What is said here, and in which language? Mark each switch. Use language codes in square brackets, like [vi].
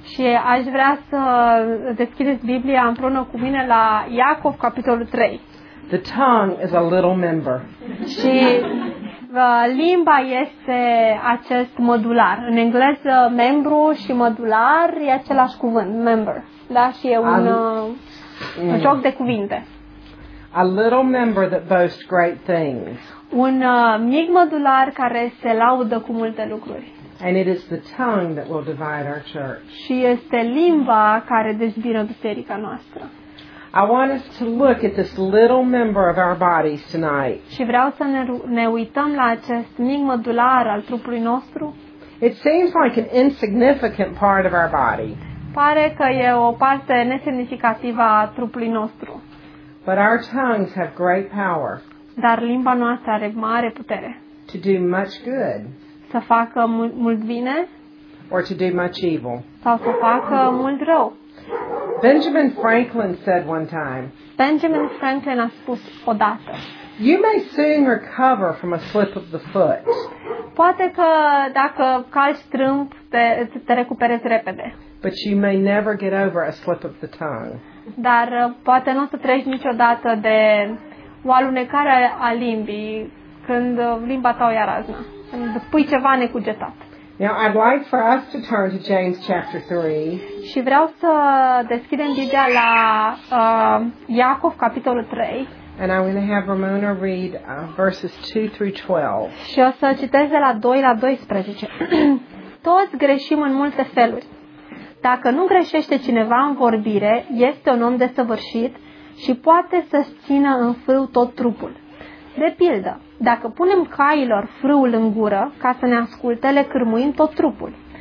[ro] Și aș vrea să deschideți Biblia împreună cu mine la Iacov capitolul 3. [en] The tongue is a little member. [ro] Și limba este acest modular. În engleză, membru și modular e același cuvânt, member. Da? Și e un joc de cuvinte. [en] A little member that boasts great things. [ro] Un mic modular care se laudă cu multe lucruri. [en] And it is the tongue that will divide our church. [ro] Și este limba care dezbină biserica noastră. [en] I want us to look at this little member of our bodies tonight. [ro] Și vreau să ne uităm la acest mic modular al trupului nostru. [en] It seems like an insignificant part of our body. [ro] Pare că e o parte nesemnificativă a trupului nostru. [en] But our tongues have great power. [ro] Dar limba noastră are mare putere. [en] To do much good. [ro] Să facă mult bine. [en] Or to do much evil. [ro] Sau să facă mult rău. [en] Benjamin Franklin said one time. [ro] Benjamin Franklin a spus odată. [en] You may soon recover from a slip of the foot. [ro] Poate că dacă calci strâmb te recuperezi repede. [en] But you may never get over a slip of the tongue. [ro] Dar poate nu o să treci niciodată de o alunecare a limbii când limba ta o ia razna, când spui ceva necugetat. [en] Now I'd like for us to turn to James chapter 3. [ro] Și vreau să deschidem Biblia la Iacov capitolul 3. [en] And I'm going to have Ramona read verses 2 through 12. [ro] Și o să citesc de la 2 la 12. Toți greșim în multe feluri. Dacă nu greșește cineva în vorbire, este un om desăvârșit și poate să-și țină în frâu tot trupul. De pildă, dacă punem cailor frâul în gură ca să ne asculte, le cârmuim tot trupul.